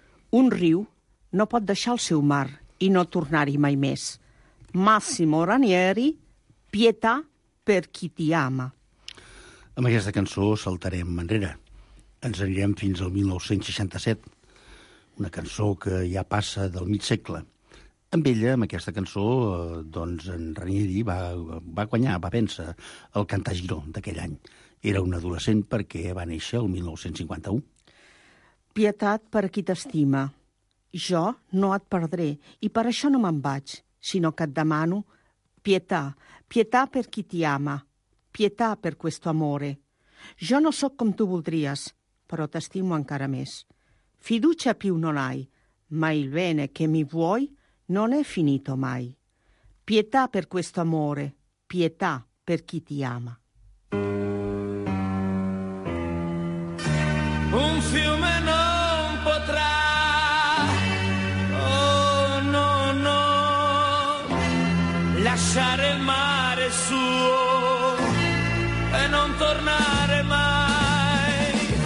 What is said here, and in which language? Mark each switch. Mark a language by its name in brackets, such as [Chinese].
[Catalan] Un riu no pot deixar el seu mar i no tornar-hi mai més. [Italian] Massimo Ranieri, Pietà per qui ti ama. [Catalan] Amb aquesta cançó saltarem enrere. Ens anirem fins al 1967, una cançó que ja passa del mig segle. Amb ella, amb aquesta cançó, doncs en Ranieri va guanyar, va vèncer el Cantar Giró d'aquell any. Era un adolescent perquè va néixer el 1951. Pietat per qui t'estima. Jo no et perdré i per això no me'n vaig, sinó que et demano pietà, [Italian] pietà per qui ti ama, pietà per questo amore. [Catalan] Jo no sóc com tu voldries, però t'estimo encara més. [Italian] Fiducia più non hai, ma il bene che mi vuoi non è finito mai. Pietà per questo amore, pietà per chi ti ama. Un fiume non potrà, oh no, no, lasciare il mare suo e non tornare mai.